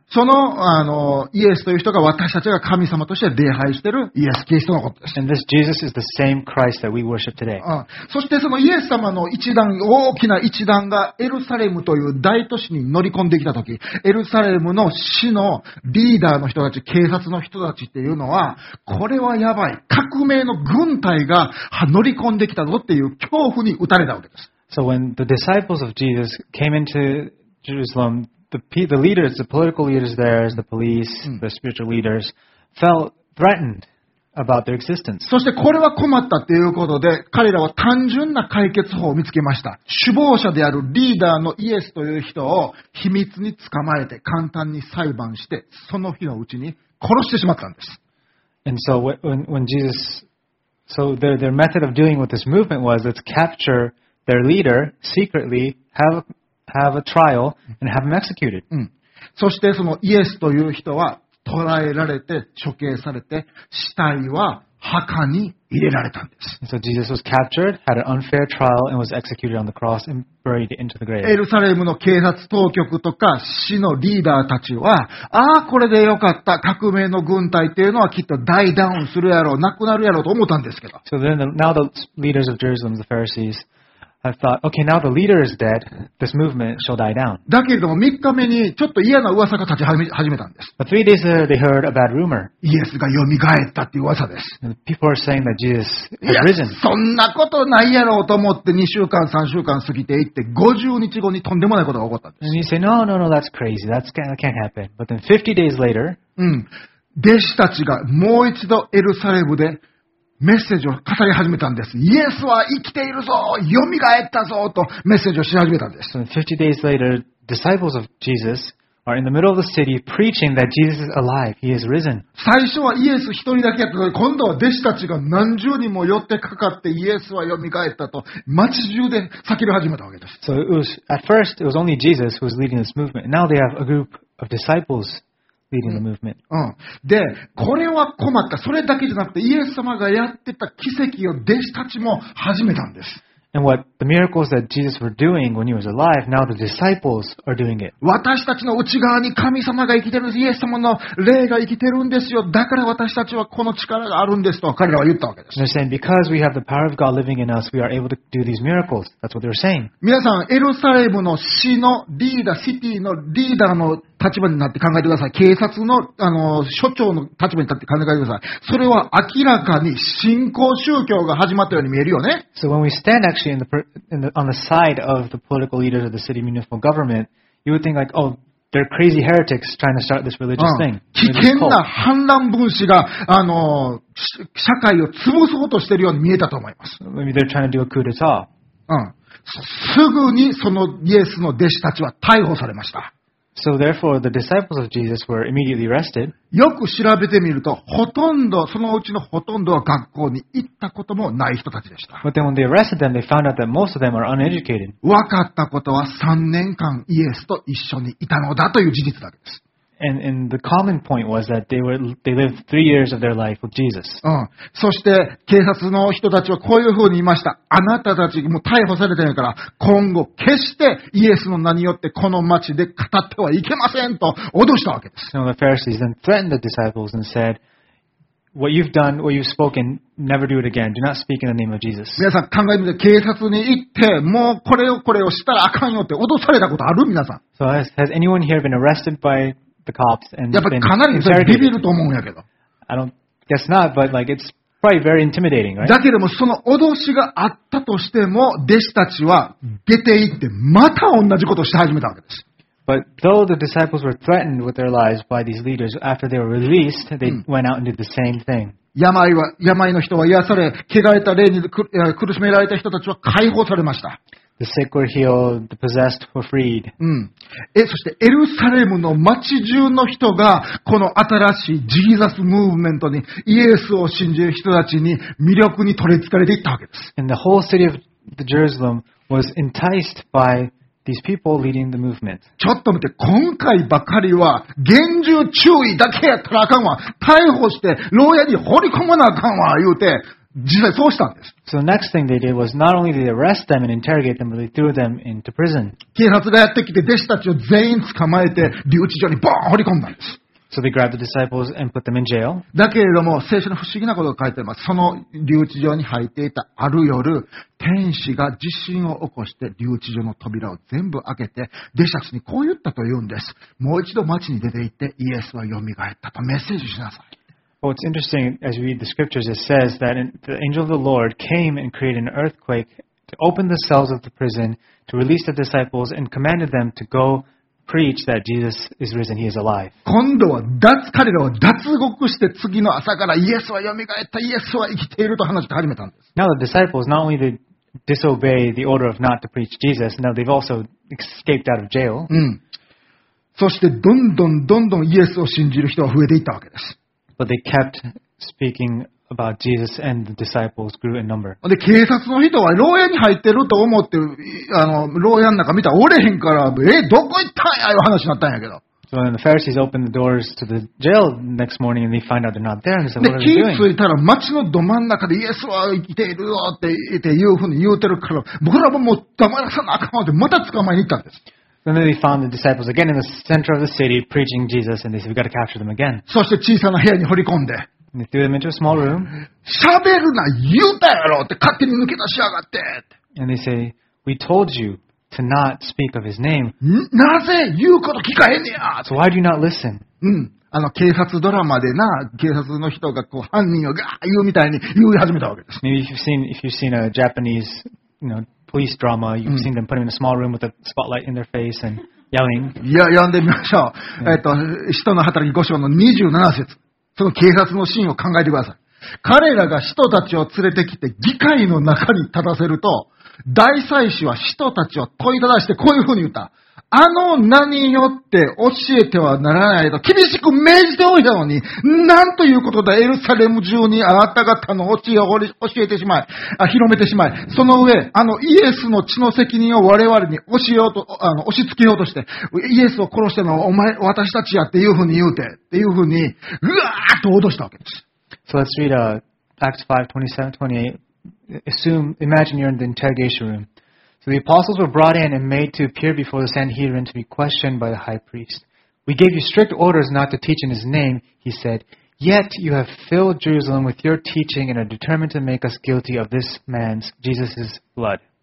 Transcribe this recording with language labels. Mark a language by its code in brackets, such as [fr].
[ja] そのイエスという人が私たちが神様として礼拝しているイエス・キリストのことです。 [en] And this Jesus is the same Christ that we worship today. [ja] そしてそのイエス様の一団、大きな一団がエルサレムという大都市に乗り込んできたとき、エルサレムの死のリーダーの人たち、警察の人たちっていうのは、これはやばい、革命の軍隊が乗り込んできたぞっていう恐怖に打たれたわけです。 [en] So when the disciples of Jesus came into Jerusalem, the leaders, the political leaders there, the police, the spiritual leaders, felt threatened about their existence. [ja] そしてこれは困ったっていうことで、彼らは単純な解決法を見つけました。首謀者であるリーダーのイエスという人を秘密に捕まえて、簡単に裁判して、その日のうちに殺してしまったんです。 [en] And so when Jesus, so their method of dealing with this movement was, let's capture their leader secretly, have a trial, and have him executed. [ja] そしてそのイエスという人は捕らえられて処刑されて、死体は墓に入れられたんです。 [en] So Jesus was captured, had an unfair trial, and was executed on the cross and buried into the grave. [ja] エルサレムの警察当局とか死のリーダーたちは、ああこれでよかった、革命の軍隊っていうのはきっと大ダウンするやろう、なくなるやろうと思ったんですけど。 [en] So then now the leaders of Jerusalem, the Pharisees. I thought, okay, now the leader is dead. This movement shall die down. [ja] だけれども3日目にちょっと嫌な噂が立ち始めたんです。 [en] But 3 days later, they heard a bad rumor. [ja] イエスが蘇ったっていう噂です。 [en] And people are saying that Jesus has risen. [ja] そんなことないやろうと思って2週間、3週間過ぎていって、50日後にとんでもないことが起こったんです。 [en] And you say, no, that's crazy. That can't happen. But then 50 days later, [ja] 弟子たちがもう一度エルサレムでメッセージを語り始めたんです。イエスは生きているぞ、蘇ったぞとメッセージをし始めたんです。 [en] 50 days later, disciples of Jesus are in the middle of the city preaching that Jesus is alive. He is risen. [ja] 最初はイエス一人だけやったのに、今度は弟子たちが何十人も寄ってかかってイエスは蘇ったと街中で叫び始めたわけです。 [en] So it was at first it was only Jesus who was leading this movement. Now they have a group of disciples. Leading the movement. [ja] で、これは困った。それだけじゃなくて、イエス様がやってた奇跡を弟子たちも始めたんです。 [en] And what the miracles that Jesus were doing when he was alive, now the disciples are doing it. [ja] 私たちの内側に神様が生きてるんです。イエス様の霊が生きてるんですよ。だから私たちはこの力があるんですと彼らは言ったわけです。 [en] They're saying because we have the power of God living in us, we are able to do these miracles. That's what they're saying. [ja] 皆さん、エルサレムの市のリーダー、シティのリーダーの立場になって考えてください。警察の、署長の立場に立って考えてください。それは明らかに信仰宗教が始まったように見えるよね。 [en] So when we stand actually on the side of the political leaders of the city municipal government, you would think like, oh, they're crazy heretics trying to start this religious thing. [ja] 危険な反乱分子が、社会を潰そうとしているように見えたと思います。 [en] Maybe they're trying to do a coup d'état. [ja] すぐにそのイエスの弟子たちは逮捕されました。 [en] So therefore, the disciples of Jesus were immediately arrested. [ja] よく調べてみると、ほとんど、そのうちのほとんどは学校に行ったこともない人たちでした。 [en] But then when they arrested them, they found out that most of them are uneducated. [ja] わかったことは3年間イエスと一緒にいたのだという事実だけです。 [en] And the common point was that they lived 3 years of their life with Jesus. [ja] そして警察の人たちはこういうふうに言いました。あなたたちも逮捕されてるから、今後決してイエスの名によってこの町で語ってはいけませんと脅したわけです。 [en] So the Pharisees then threatened the disciples and said, What you've done, what you've spoken, never do it again. Do not speak in the name of Jesus. [ja] 皆さん考えてみて、警察に行って、もうこれをこれをしたらあかんよって脅されたことある皆さん。 [en] So has anyone here been arrested by the cops and been interrogated? [ja] やっぱりかなりビビると思うんやけど。 [en] I don't guess not, but like it's probably very intimidating, right? [ja] だけどもその脅しがあったとしても、弟子たちは出て行ってまた同じことをして始めたわけです。 [en] But though the disciples were threatened with their lives by these leaders, after they were released, they went out and did the same thing. [ja] 病の人は癒され、汚れた霊に苦しめられた人たちは解放されました。 [en] The sick were healed, the possessed were freed. [ja] そしてエルサレムの街中の人がこの新しいジーザスムーブメントにイエスを信じる人たちに魅力に取りつかれていったわけです。 [en] And the whole city of the Jerusalem was enticed byThese people leading the movement. [ja] ちょっと待って、今回ばかりは厳重注意だけやったらあかんわ。逮捕して牢屋に放り込まなあかんわ、言うて、実際そうしたんです。 [en] So the next thing they did was not only did they arrest them and interrogate them, but they threw them into prison. [ja] 警察がやってきて弟子たちを全員捕まえて留置所にボーン放り込んだんです。 [en] So they grabbed the disciples and put them in jail. [ja] だけれども、聖書の不思議なことが書いてあります。その留置所に入っていたある夜、天使が地震を起こして留置所の扉を全部開けて、弟子たちにこう言ったと言うんです。もう一度町に出て行って、イエスは蘇ったとメッセージしなさい。 [en] Well, it's interesting, as you read the scriptures, it says that the angel of the Lord came and created an earthquake to open the cells of the prison, to release the disciples, and commanded them to go. Preach that Jesus is risen, he is alive. [ja] 今度は彼らは脱獄して次の朝からイエスは蘇った、イエスは生きていると話して始めたんです。 [en] Now the disciples not only did disobey the order of not to preach Jesus, now they've also escaped out of jail. [ja] そしてどんどんどんどんイエスを信じる人は増えていったわけです。 [en] But they kept speaking about Jesus and the disciples grew in number. [ja] で、警察の人は牢屋に入ってると思って、牢屋の中見たらおれへんから、どこ行ったんやいう話になったんやけど。 [en] So then the Pharisees opened the doors to the jail next morning and they find out they're not there and they said, what are they doing? [ja] で、気づいたら町のど真ん中でイエスは生きているよっていうふうに言うてるから、僕らももう黙らさなあかんわってまた捕まえに行ったんです。 [en] And then they found the disciples again in the center of the city preaching Jesus and they said, we've got to capture them again. [ja] そして小さな部屋に掘り込んで、 [en] And they threw them into a small room. [ja] 喋るな言うたやろって勝手に抜け出しやがって。 [en] And they say, we told you to not speak of his name. [ja] なぜ言うこと聞かへんねや。 [en] So why do you not listen? [ja] 警察ドラマでな、警察の人がこう犯人をガー言うみたいに言い始めたわけです。 [en] Maybe if you've seen a Japanese, police drama, you've seen them put him in a small room with a spotlight in their face and yelling. [ja] いや、読んでみましょう。使徒の働き5章の27節。その警察のシーンを考えてください。彼らが使徒たちを連れてきて議会の中に立たせると、大祭司は使徒たちを問いただしてこういうふうに言った。あの名によって教えてはならないと厳しく命じておいたのに、なんということだエルサレム中にあなた方の教えを教えてしまい、広めてしまい、その上、あのイエスの血の責任を我々に押しようと、押し付けようとして、イエスを殺したのはお前、私たちやっていうふうに言うて、っていうふうに、うわーっと脅したわけです。 [en] So let's read Acts 5:27-28. Imagine you're in the interrogation room. So the apostles were brought in and made to appear before the Sanhedrin to be questioned by the high priest. We gave you strict orders not to teach in his name, he said. Yet you have filled Jerusalem with your teaching and are determined to make us guilty of this man's, Jesus' blood.